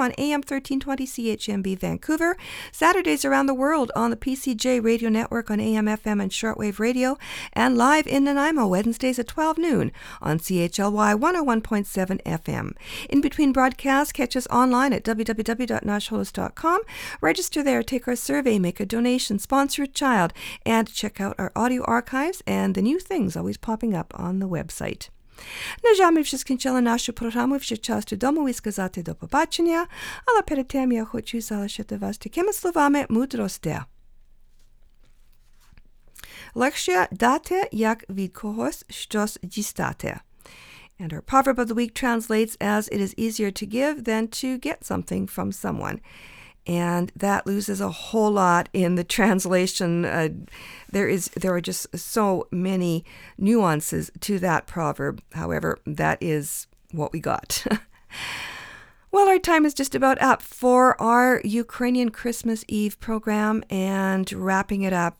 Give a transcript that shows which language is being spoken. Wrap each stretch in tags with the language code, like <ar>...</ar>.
<en>on AM 1320 CHMB Vancouver, Saturdays around the world on the PCJ Radio Network on AM, FM, and shortwave radio, and live in Nanaimo Wednesdays at 12 noon on CHLY 101.7 FM. In between broadcasts, catch us online at www.nashholos.com, register there, take our survey, make a donation, sponsor a child, and check out our audio archives and the new things always popping up on the website.</en> <uk>На жаль, ми вже скінчили нашу програму, вже час додому і сказати до побачення, але перед тим я хочу залишити вас такими словами мудрості. Легше дати, як від когось щось дістати.</uk> <en>And our proverb of the week translates as, it is easier to give than to get something from someone. And that loses a whole lot in the translation. There are just so many nuances to that proverb. However, that is what we got. Well, our time is just about up for our Ukrainian Christmas Eve program and wrapping it up.</en>